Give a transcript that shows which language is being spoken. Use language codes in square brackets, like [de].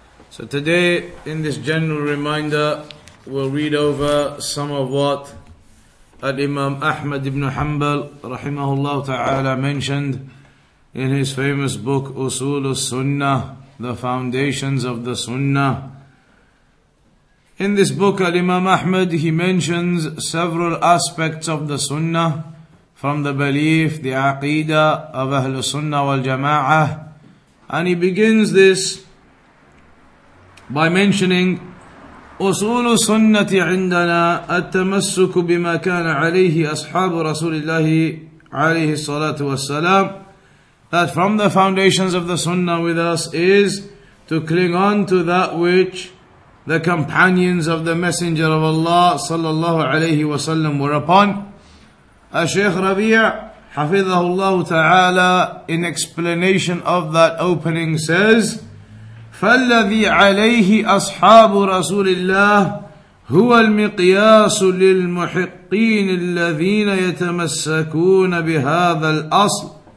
[en] So today, in this general reminder, we'll read over some of what Al-Imam Ahmad ibn Hanbal rahimahullah ta'ala mentioned in his famous book Usul al-Sunnah, The Foundations of the Sunnah. In this book, Al-Imam Ahmad, he mentions several aspects of the Sunnah, from the belief, the Aqeedah of Ahlul Sunnah wal Jama'ah. And he begins this by mentioning [ar] أصول سنة عندنا التمسك بما كان عليه أصحاب رسول الله عليه الصلاة والسلام. [en] That from the foundations of the Sunnah with us is to cling on to that which the companions of the Messenger of Allah sallallahu alayhi wa sallam were upon. As Shaykh Rabi' hafidhahullah ta'ala in explanation of that opening says, [ar] فَالَّذِي عَلَيْهِ أَصْحَابُ رَسُولِ اللَّهِ هُوَ الْمِقْيَاسُ لِلْمُحِقِّينِ الَّذِينَ يَتَمَسَّكُونَ بِهَذَا الْأَصْلِ.